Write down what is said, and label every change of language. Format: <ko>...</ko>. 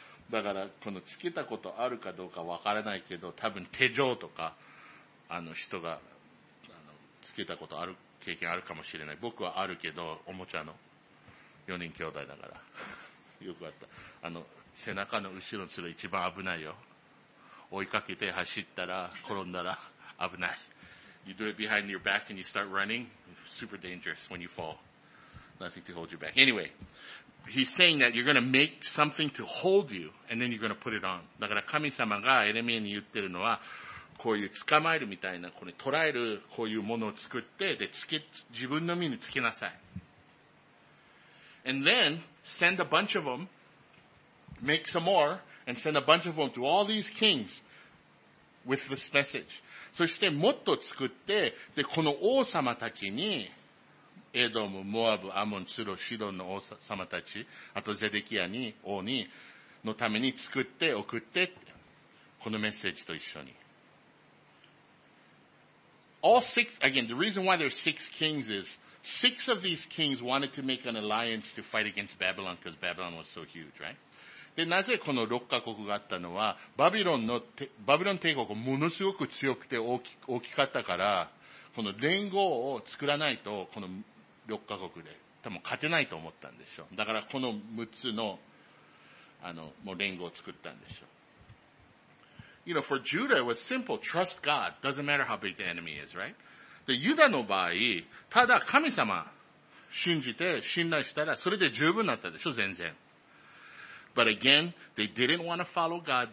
<ja>だから、このつけたことあるかどうかわからないけど、多分手錠とか、人が、つけたことある。経験あるかもしれない。僕はあるけど、おもちゃの4人兄弟だから。よくあった。背中の後ろにする一番危ないよ。追いかけて走ったら、転んだら危ない。</ja> <en>You do it behind your back and you start running. Super dangerous when you fall. Nothing to hold you back. Anyway, he's saying that you're gonna make something to hold you and then you're gonna put it on.</en> <ja>だから神様がエレミアに言ってるのは、こういう捕まえるみたいな、これ捕らえるこういうものを作って、で、自分の身につけなさい。</ja> <en>And then, send a bunch of them, make some more, and send a bunch of them to all these kings with this message.</en> <ja>そしてもっと作って、で、この王様たちに、エドム、モアブ、アモン、ツロ、シドンの王様たち、あとゼデキアに、王に、のために作って、送って、このメッセージと一緒に。</ja> <en>All six, again, the reason why there's six kings is six of these kings wanted to make an alliance to fight against Babylon because Babylon was so huge, right?</en> <ja>で、なぜこの六カ国があったのは、バビロン帝国ものすごく強くて大きかったから、この連合を作らないと、この六カ国で多分勝てないと思ったんでしょう。だからこの六つのあの、もう連合を作ったんでしょう。</ja> <en>You know, for Judah, it was simple. Trust God. Doesn't matter how big the enemy is, right?</en> <ja>で、ユダの場合、ただ神様、信じて、信頼したら、それで十分だったでしょ、全然。</ja> <en>But again, they didn't want to follow God.</en>